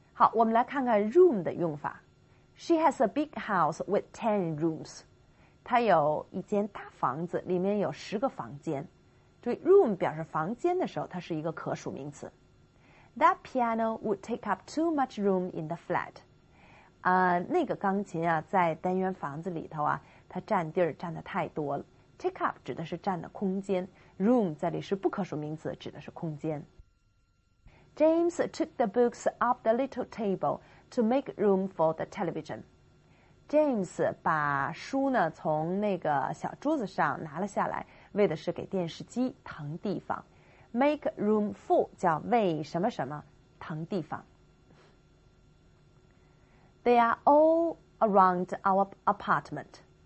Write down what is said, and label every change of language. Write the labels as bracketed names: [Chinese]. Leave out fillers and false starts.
[Chinese] 好，我们来看看 room 的用法。 [English] She has a big house with 10 rooms. [Chinese] 它有一间大房子，里面有十个房间。注意 room 表示房间的时候，它是一个可数名词。 [English] That piano would take up too much room in the flat. [Chinese] 那个钢琴啊，在单元房子里头啊，它占地儿占的太多了。 Take up 指的是占的空间 ，room 在里是不可数名词，指的是空间。 [English] James took the books off the little table to make room for the television. [Chinese] James 把书呢从那个小桌子上拿了下来，为的是给电视机腾地方。 Make room for 叫为什么什么腾地方。 [English] They are all around our apartment.